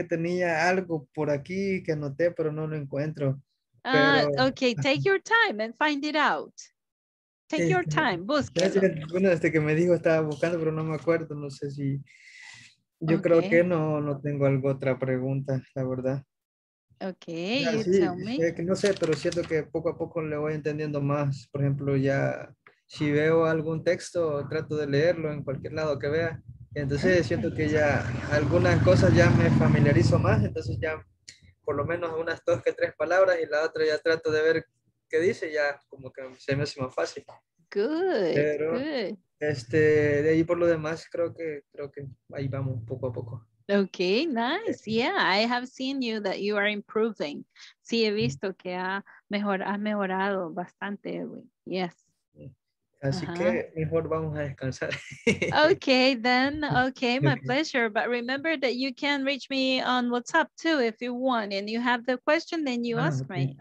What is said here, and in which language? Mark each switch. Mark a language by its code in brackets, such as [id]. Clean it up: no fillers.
[es] que tenía algo por aquí que anoté, pero no lo encuentro. [en] Okay, take your time and find it out. Take your time, [es] búsquelo. Bueno, desde que me dijo estaba buscando, pero no me acuerdo, no sé si... Yo okay. Creo que no tengo algo otra pregunta, la verdad. [en] Okay, ya, you sí, tell me. [es] Que no sé, pero siento que poco a poco le voy entendiendo más, por ejemplo, ya... Si veo algún texto, trato de leerlo en cualquier lado que vea. Entonces siento que ya algunas cosas ya me familiarizo más. Entonces ya por lo menos unas dos que tres palabras y la otra ya trato de ver qué dice. Ya como que se me hace más fácil. [en] Good, pero, good. [es] De ahí por lo demás creo que ahí vamos poco a poco. [en] Okay, nice. Yeah, I have seen you that you are improving. [es] Sí, he visto que has mejorado bastante, Edwin. Yes. Así uh-huh. Que mejor vamos a descansar. [en] Okay, then. Okay, my pleasure. But remember that you can reach me on WhatsApp too if you want. And you have the question, then you ask okay. Me.